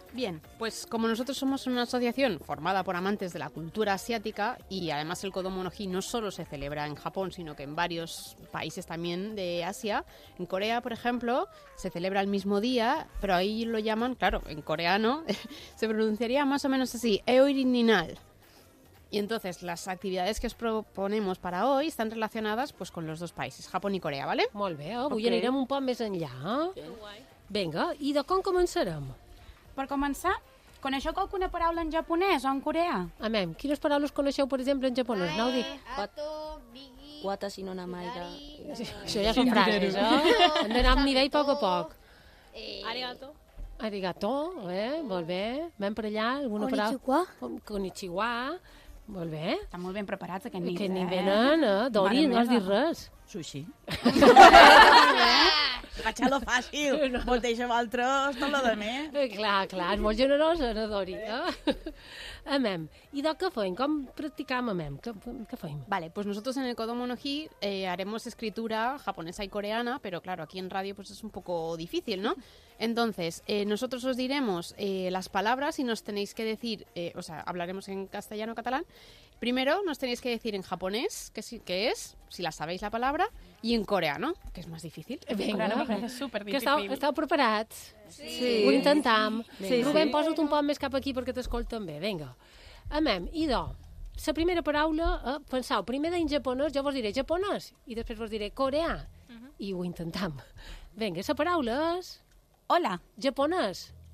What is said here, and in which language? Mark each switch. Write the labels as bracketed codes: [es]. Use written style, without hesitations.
[es] Bien, pues como nosotros somos una asociación formada por amantes de la cultura asiática y además el Kodomo no Hi no solo se celebra en Japón, sino que en varios países también de Asia. En Corea, por ejemplo, se celebra el mismo día, pero ahí lo llaman, claro, en coreano, se pronunciaría más o menos así, Eorin Ninal. Y entonces, las actividades que os proponemos para hoy están relacionadas pues, con los dos países, Japón y Corea, ¿vale? [ca] Molt bé, avui anirem un poc més enllà. Vinga, i de com començarem? Per començar, coneixeu alguna paraula en japonès o en coreà? Amem, quines paraules coneixeu, per exemple, en japonès? Ato, bigi, [ja] wata shino namae ga. [ca] Això ja són frases, eh? Hem d'anar amb nivell poc a poc. [ja] Arigato. [ca] Arigato, molt bé. Vam per allà, alguna paraula? [ja] Konnichiwa. [ca] Konnichiwa. Molt bé. Estan molt ben preparats aquest nivell. Aquest nivell, Dori, no has dit res. [ja] Sushi. [ca] Faig lo fàcil. No. Vos deixem altres, tot lo de més. Clar, clar, és molt generosa, no, Dori? Amem. I de què feim? Com practicam amem? Què feim? [es] Vale, pues nosotros en el Kodomo no Hi haremos escritura japonesa y coreana, pero claro, aquí en radio pues es un poco difícil, ¿no? Entonces, nosotros os diremos las palabras y nos tenéis que decir, o sea, hablaremos en castellano o catalán. Primero nos tenéis que decir en japonés qué es, si la sabéis la palabra, y en coreano, que es más difícil. Venga, coreano me parece súper difícil. [ca] ¿Estáu preparats? Sí. Ho intentam. Sí. Rubén, posa't un poc més cap aquí perquè t'escolten bé. Venga. Amem, idò. La primera paraula, pensau, primer en japonès, jo vos diré japonès, i després vos diré coreà, i ho intentam. Venga, la paraula és... [es] Hola. [ca] Japonès.